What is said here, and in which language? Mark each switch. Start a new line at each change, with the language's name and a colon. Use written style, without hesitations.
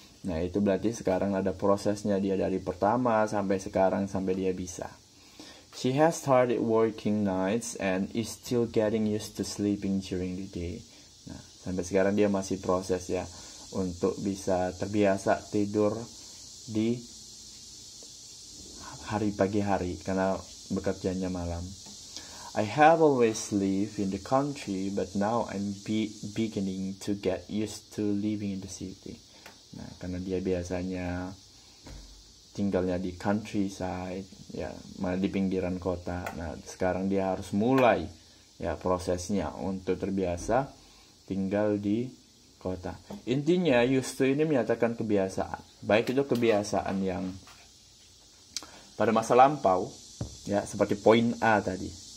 Indonesian: Nah, itu berarti sekarang ada prosesnya dia dari pertama sampai sekarang sampai dia bisa.
English: She has started working nights and is still getting used to sleeping during the day.
Indonesian: Nah, sampai sekarang dia masih proses ya untuk bisa terbiasa tidur di hari pagi hari karena bekerjanya malam.
English: I have always lived in the country, but now I'm beginning to get used to living in the city.
Indonesian: Nah, karena dia biasanya tinggalnya di countryside, ya, malah di pinggiran kota. Nah, sekarang dia harus mulai ya prosesnya untuk terbiasa tinggal di kota. Intinya used to ini menyatakan kebiasaan. Baik itu kebiasaan yang pada masa lampau ya, seperti poin A tadi.